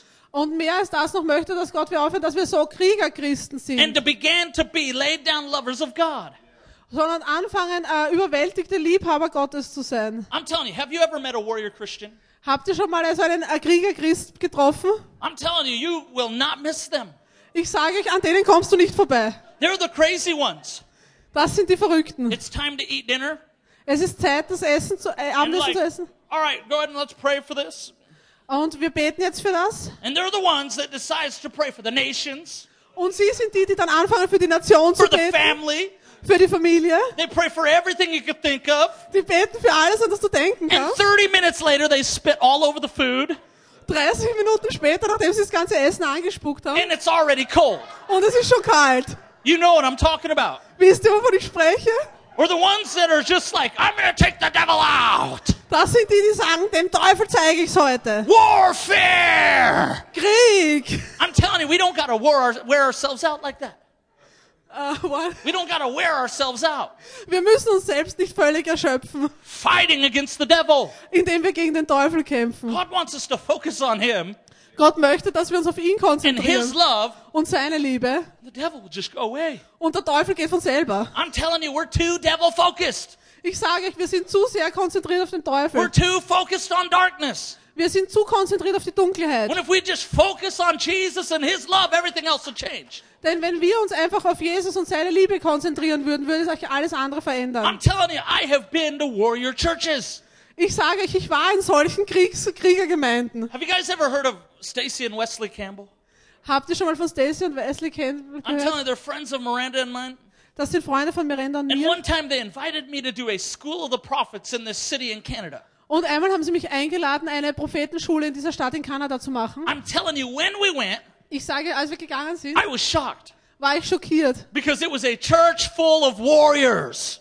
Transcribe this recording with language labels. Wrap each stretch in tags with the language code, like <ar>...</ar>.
<de>Und mehr als das noch möchte, dass Gott wir aufhören, dass wir so Kriegerchristen sind.</de> <en>And to begin to be laid down lovers of God.</en> <de>Sondern anfangen, überwältigte Liebhaber Gottes zu sein.</de> <en>I'm telling you, have you ever met a warrior Christian?</en> <de>Habt ihr schon mal so einen Kriegerchrist getroffen?</de> <en>I'm telling you, you will not miss them.</en> <de>Ich sage euch, an denen kommst du nicht vorbei.</de> <en>They're the crazy ones.</en> <de>Das sind die Verrückten.</de> <en>It's time to eat dinner.</en> <de>Es ist Zeit, das Essen zu, Abendessen zu essen.</de> <en>All right, go ahead and let's pray for this.</en> <de>Und wir beten jetzt für das.</de> <en>And they're the ones that decides to pray for the nations.</en> <de>Und sie sind die, die dann anfangen, für die Nation zu beten.</de> <en>For the family.</en> <de>Für die Familie.</de> <en>They pray for everything you could think of.</en> <de>Die beten für alles, an das du denken kannst.</de> <en>And 30 minutes later they spit all over the food.</en> <de>30 Minuten später, nachdem sie das ganze Essen angespuckt haben.</de> <en>And it's already cold.</en> <de>Und es ist schon kalt.</de> <en>You know what I'm talking about.</en> <de>Wisst ihr, wovon ich spreche?</de> <en>Or the ones that are just like, I'm gonna take the devil out.</en> <de>Das sind die, die sagen, dem Teufel zeige ich's heute.</de> <en>Warfare.</en> <de>Krieg.</de> <en>I'm telling you, we don't gotta wear ourselves out like that. What? We don't gotta wear ourselves out.</en> <de>Wir müssen uns selbst nicht völlig erschöpfen.</de> <en>Fighting against the devil.</en> <de>Indem wir gegen den Teufel kämpfen.</de> <en>God wants us to focus on him.</en> <de>Gott möchte, dass wir uns auf ihn konzentrieren.</de> <en>And his love.</en> <de>Und seine Liebe.</de> <en>The devil will just go away.</en> <de>Und der Teufel geht von selber.</de> <en>I'm telling you, we're too devil focused.</en> <de>Ich sage euch, wir sind zu sehr konzentriert auf den Teufel.</de> <en>We're too focused on darkness.</en> <de>Wir sind zu konzentriert auf die Dunkelheit.</de> <en>And if we just focus on Jesus and his love, everything else will change.</en> <de>Denn wenn wir uns einfach auf Jesus und seine Liebe konzentrieren würden, würde sich alles andere verändern.</de> <en>I'm telling you, I have been to warrior churches.</en> <de>Ich sage euch, ich war in solchen Kriegergemeinden.</de> <en>Have you guys ever heard of Stacy and Wesley Campbell?</en> <de>Habt ihr schon mal von Stacy und Wesley Campbell gehört?</de> <en>I'm telling you, they're friends of Miranda and mine.</en> <de>Das sind Freunde von Miranda und mir.</de> <en>And one time they invited me to do a school of the prophets in this city in Canada.</en> <de>Und einmal haben sie mich eingeladen, eine Prophetenschule in dieser Stadt in Kanada zu machen.</de> <en>I'm telling you, when we went,</en> <de>ich sage, als wir gegangen sind,</de> <en>I was shocked.</en> <de>War ich schockiert.</de> <en>Because it was a church full of warriors.</en>